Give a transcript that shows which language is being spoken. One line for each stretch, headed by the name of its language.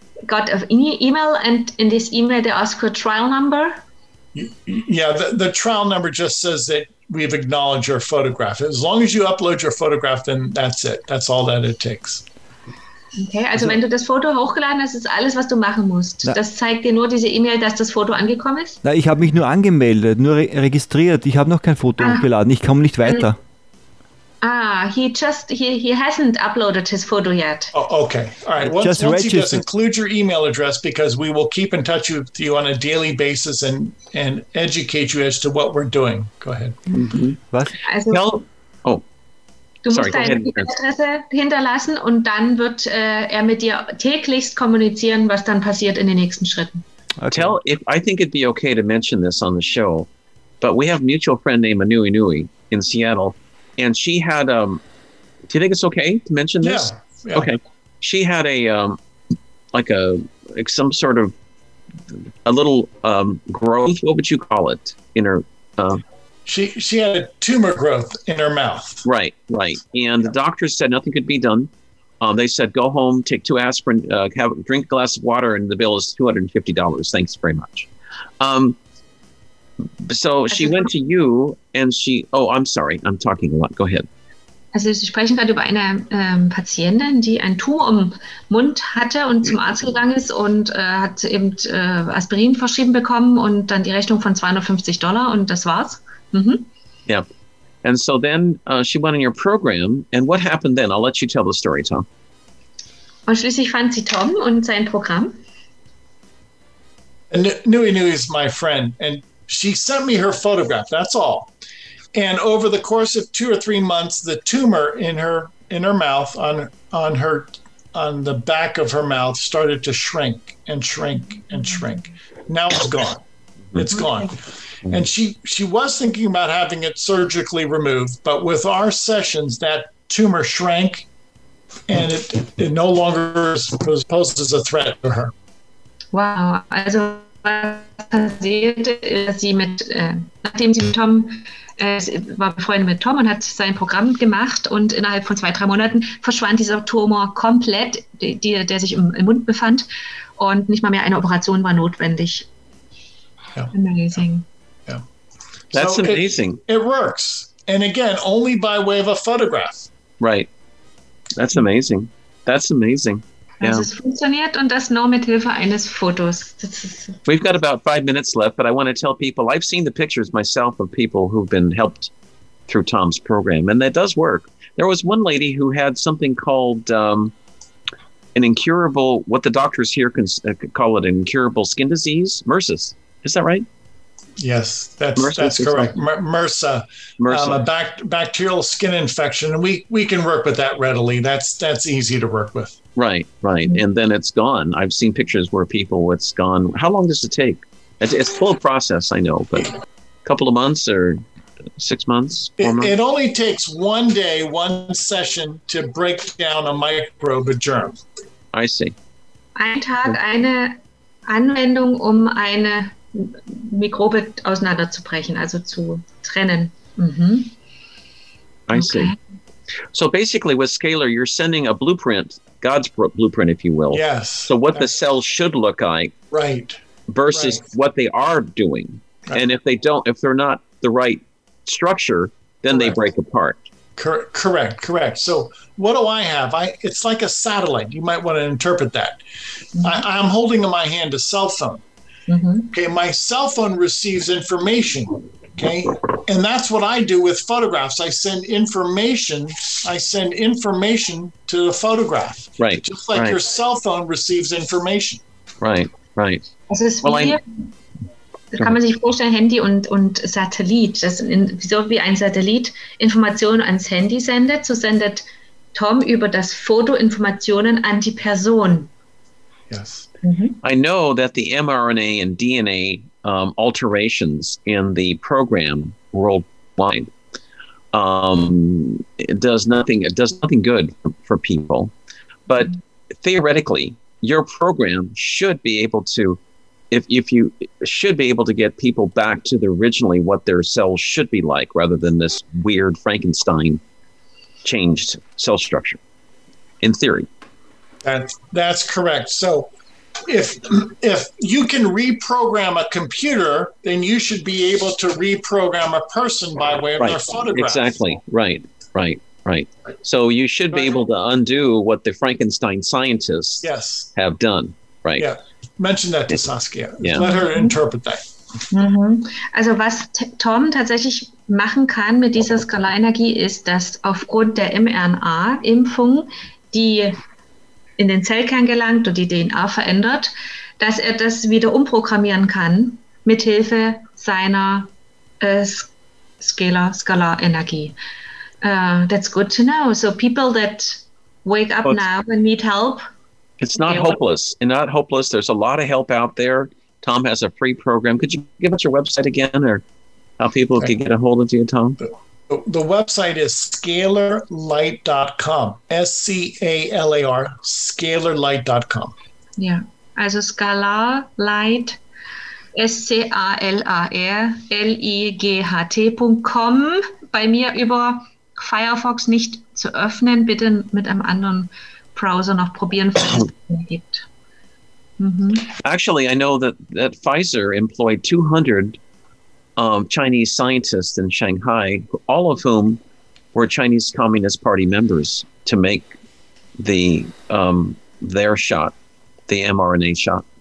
English: got an email and in this email they ask for a trial number. Yeah, the trial number just says that we've acknowledged your photograph. As long as you upload your photograph, then that's it. That's all that it takes.
German: Okay, also wenn du das Foto hochgeladen hast, ist alles, was du machen musst. Na, das zeigt dir nur diese E-Mail, dass das Foto angekommen ist? Nein, ich habe mich nur angemeldet, nur registriert. Ich habe noch kein Foto hochgeladen. Ich komme nicht weiter.
English: He hasn't uploaded his photo yet. Oh, okay. All right. Just once you just include your email address, because we will keep in touch with you on a daily basis and educate you as to what we're doing. Go ahead.
German: Mm-hmm. Was? Also,
English: no. Oh.
German: Du musst deine E-Mail-Adresse hinterlassen und dann wird er mit dir täglichst kommunizieren, was dann passiert in den nächsten Schritten.
English: Okay. Tell if I think it'd be okay to mention this on the show, but we have a mutual friend named Anui Nui in Seattle. And she had, do you think it's okay to mention this? Yeah. Okay. She had a little growth, what would you call it, in her? She had a tumor growth in her mouth. Right, right. And the doctors said nothing could be done. They said, go home, take two aspirin, drink a glass of water, and the bill is $250. Thanks very much. So she went to you and she, oh, I'm sorry, I'm talking a lot. Go ahead.
German: Also Sie sprechen gerade über eine Patientin, die einen Tumor im Mund hatte und zum Arzt gegangen ist und hat eben Aspirin verschrieben bekommen und dann die Rechnung von $250 und das war's.
English: Mm-hmm. Yeah. And so then she went in your program and what happened then? I'll let you tell the story, Tom.
German: Und schließlich fand sie Tom und sein Programm.
English: And Nui Nui is my friend and she sent me her photograph, that's all. And over the course of 2 or 3 months, the tumor in her mouth, on the back of her mouth, started to shrink and shrink and shrink. Now it's gone. It's gone. And she was thinking about having it surgically removed, but with our sessions, that tumor shrank, and it no longer poses a threat to her. Wow.
German: Also, was passierte, dass sie mit, nachdem sie mit Tom, sie war befreundet mit Tom und hat sein Programm gemacht, und innerhalb von 2-3 Monaten verschwand dieser Tumor komplett, der sich im Mund befand, und nicht mal mehr eine Operation war notwendig.
English: Yeah. Amazing. That's so amazing. It works. And again, only by way of a photograph. Right. That's amazing. That's amazing. Yeah.
German: Also es funktioniert, und das nur mit Hilfe eines Fotos.
English: We've got about 5 minutes left, but I want to tell people, I've seen the pictures myself of people who've been helped through Tom's program, and that does work. There was one lady who had something called an incurable, what the doctors here can call it, an incurable skin disease, MRSA. Is that right? Yes, that's correct. MRSA. A bacterial skin infection. And we can work with that readily. That's easy to work with. Right. And then it's gone. I've seen pictures where people, it's gone. How long does it take? It's full of process, I know, but a couple of months or 6 months? Four months? It only takes one day, one session to break down a microbe, a germ. I see.
German: Ein Tag, eine Anwendung, um eine Mikrobe auseinanderzubrechen, also zu trennen.
English: Mm-hmm. I see. So basically with Scalar, you're sending a blueprint, God's blueprint, if you will. Yes. So what the cells should look like. Right. Versus what they are doing. Right. And if they're not the right structure, then they break apart. Correct. So what do I have? It's like a satellite. You might want to interpret that. Mm-hmm. I'm holding in my hand a cell phone. Mm-hmm. Okay, my cell phone receives information, okay? And that's what I do with photographs. I send information to the photograph. Right. Just like your cell phone receives information. Right.
German: Das ist kann man sich vorstellen, Handy und Satellit. So wie ein Satellit Informationen ans Handy sendet, so sendet Tom über das Foto Informationen an die Person.
English: Yes. Mm-hmm. I know that the mRNA and DNA alterations in the program worldwide does nothing good for people. But theoretically, your program should be able to, if you should be able to get people back to the originally what their cells should be like, rather than this weird Frankenstein changed cell structure. In theory, that's correct. So. If you can reprogram a computer, then you should be able to reprogram a person by way of their photograph. Exactly. Right. So you should be able to undo what the Frankenstein scientists have done. Right. Yeah. Mention that to Saskia. Yeah. Let her interpret that. Mm-hmm.
German: Also was Tom tatsächlich machen kann mit dieser Skalarenergie ist, dass aufgrund der mRNA-Impfung die in den Zellkern gelangt und die DNA verändert, dass er das wieder umprogrammieren kann mit Hilfe seiner Scalar Energie.
English: That's good to know. So people that wake up now and need help. It's not hopeless. And not hopeless. There's a lot of help out there. Tom has a free program. Could you give us your website again, or how people can get a hold of you, Tom? The website is scalarlight.com, S-C-A-L-A-R, scalarlight.com.
German: Yeah, also scalarlight, scalarlight.com. Bei mir über Firefox nicht zu öffnen, bitte mit einem anderen Browser noch probieren, falls es gibt.
English: Actually, I know that Pfizer employed 200 Chinese scientists in Shanghai, all of whom were Chinese Communist Party members, to make the their shot, the mRNA shot.